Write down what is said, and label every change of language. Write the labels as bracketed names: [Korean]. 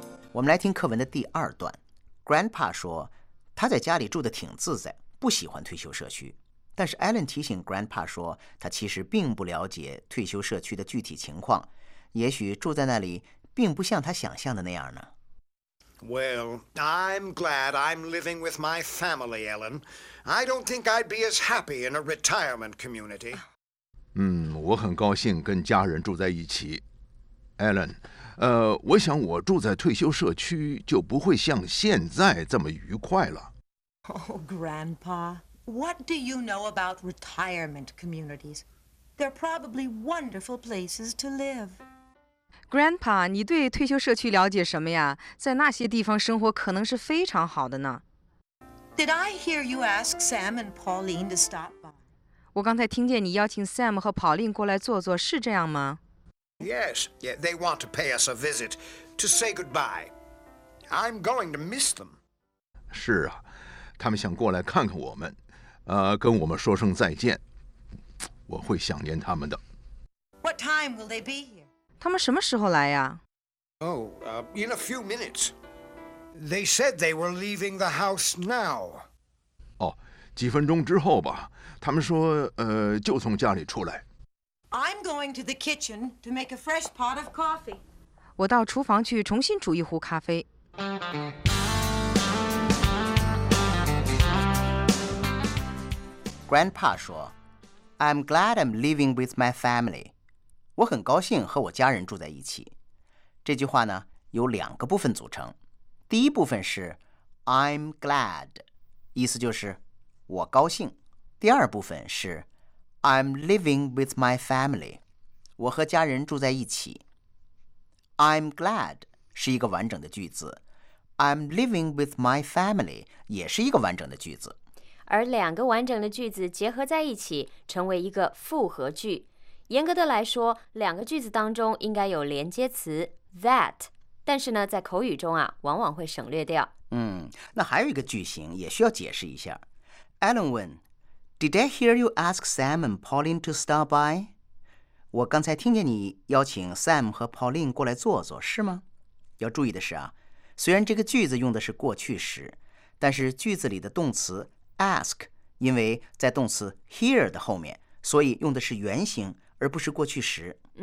[Chinese] 我们来听课文的第二段。Grandpa 说他在家里住得挺自在，不喜欢退休社区，但是 Alan 提醒 Grandpa 说他其实并不了解退休社区的具体情况，也许住在那里并不像他想象的那样呢。 [English] Well, I'm glad I'm living with my family, Alan. I don't think I'd be as happy in a retirement community. [Chinese] 我很高兴跟家人住在一起， Alan。我想我住在退休社区就不会像现在这么愉快了。 [English] Oh, Grandpa, what do you know about retirement communities? They're probably wonderful places to live. [Chinese] Grandpa, 你对退休社区了解什么呀？在那些地方生活可能是非常好的呢。 [English] Did I hear you ask Sam and Pauline to stop by? [Chinese] 我刚才听见你邀请 Sam 和 Pauline 过来坐坐，是这样吗？ [English] Yes, yeah, they want to pay us a visit to say goodbye. I'm going to miss them. [Chinese] 是啊，他们想过来看看我们，跟我们说声再见。我会想念他们的。 [English] What time will they be here? [Chinese] 他们什么时候来呀？ [English] In a few minutes. They said they were leaving the house now. [Chinese] 哦，几分钟之后吧。他们说，就从家里出来。 [English] I'm going to the kitchen to make a fresh pot of coffee. [Chinese] 我到厨房去重新煮一壶咖啡。 [English] Grandpa 说 I'm glad I'm living with my family. [Chinese] 我很高兴和我家人住在一起。这句话呢，有两个部分组成。第一部分是 [English] I'm glad， [Chinese] 意思就是我高兴。第二部分是 [English] I'm living with my family. [Chinese] 我和家人住在一起。 [English] I'm glad [Chinese] 是一个完整的句子。 [English] I'm living with my family [Chinese] 也是一个完整的句子。而两个完整的句子结合在一起成为一个复合句。严格的来说，两个句子当中应该有连接词 that， 但是呢，在口语中啊，往往会省略掉。那还有一个句型也需要解释一下。 [English] Alan 问Did I hear you ask Sam and Pauline to stop by? [Chinese] 我刚才听见你邀请 Sam 和 Pauline 过来坐坐，是吗？要注意的是啊，虽然这个句子用的是过去时，但是句子里的动词 ask 因为在动词 hear 的后面，所以用的是原形而不是过去时。